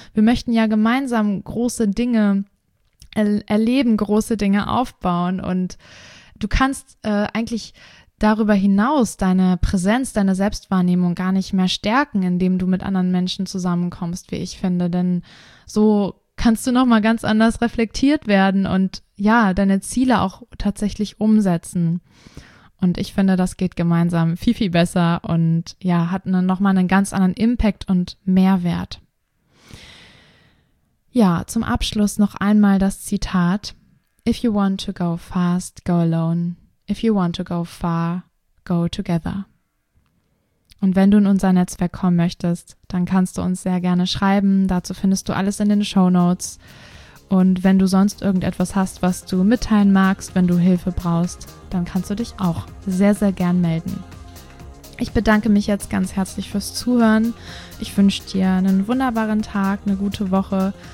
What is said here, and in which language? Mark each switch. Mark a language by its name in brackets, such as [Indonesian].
[German] Wir möchten ja gemeinsam große Dinge erleben, große Dinge aufbauen und du kannst eigentlich darüber hinaus deine Präsenz, deine Selbstwahrnehmung gar nicht mehr stärken, indem du mit anderen Menschen zusammenkommst, wie ich finde, denn so kannst du nochmal ganz anders reflektiert werden und ja, deine Ziele auch tatsächlich umsetzen. Und ich finde, das geht gemeinsam viel, viel besser und ja, hat nochmal einen ganz anderen Impact und Mehrwert. Ja, zum Abschluss noch einmal das Zitat. [English] If you want to go fast, go alone. If you want to go far, go together. [German] Und wenn du in unser Netzwerk kommen möchtest, dann kannst du uns sehr gerne schreiben. Dazu findest du alles in den Shownotes. Und wenn du sonst irgendetwas hast, was du mitteilen magst, wenn du Hilfe brauchst, dann kannst du dich auch sehr, sehr gern melden. Ich bedanke mich jetzt ganz herzlich fürs Zuhören. Ich wünsche dir einen wunderbaren Tag, eine gute Woche.